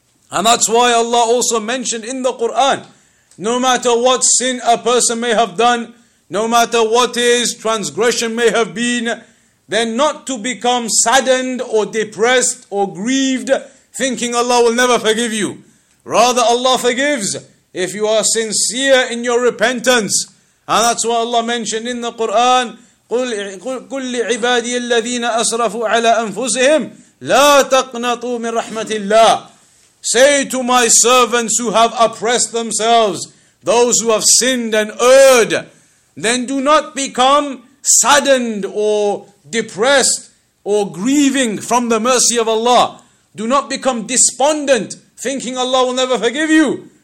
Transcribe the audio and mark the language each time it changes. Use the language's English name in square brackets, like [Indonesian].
[English] And that's why Allah also mentioned in the Quran, no matter what sin a person may have done, no matter what his transgression may have been, then not to become saddened or depressed or grieved, thinking Allah will never forgive you. Rather, Allah forgives if you are sincere in your repentance. And that's why Allah mentioned in the Quran, [Arabic] قُلْ لِعِبَادِيَ الَّذِينَ أَسْرَفُوا عَلَىٰ أَنفُسِهِمْ لَا تَقْنَطُوا مِنْ رَحْمَةِ اللَّهِ. [English] Say to my servants who have oppressed themselves, those who have sinned and erred, then do not become saddened or depressed or grieving from the mercy of Allah. Do not become despondent, thinking Allah will never forgive you.